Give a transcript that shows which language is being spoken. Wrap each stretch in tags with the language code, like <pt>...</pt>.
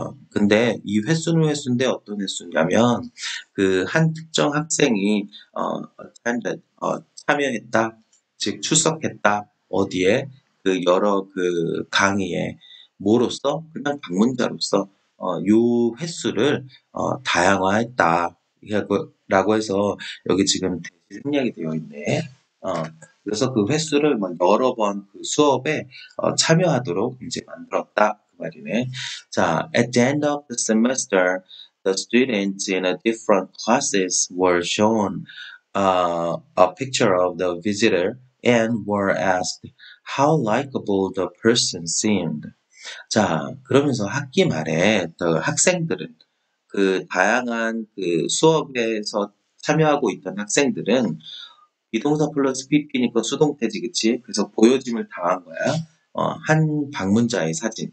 <ko>근데 이 횟수는 횟수인데 어떤 횟수냐면, 그한 특정 학생이 attended, 참여했다, 즉 출석했다, 어디에 그 여러 그 강의에 뭐로서 그냥 방문자로서 요 횟수를 다양화했다 라고 해서 여기 지금 생략이 되어 있네. 그래서 그 횟수를 막 여러 번그 수업에 참여하도록 이제 만들었다. 말이네.</ko> <en>자, at the end of the semester, the students in a different classes were shown a picture of the visitor and were asked how likable the person seemed.</en> <ko>자, 그러면서 학기 말에 그 학생들은 그 다양한 그 수업에서 참여하고 있던 학생들은 비동사 플러스 PP니까 수동태지, 그치? 그래서 보여짐을 당한 거야. 한 방문자의 사진.</ko>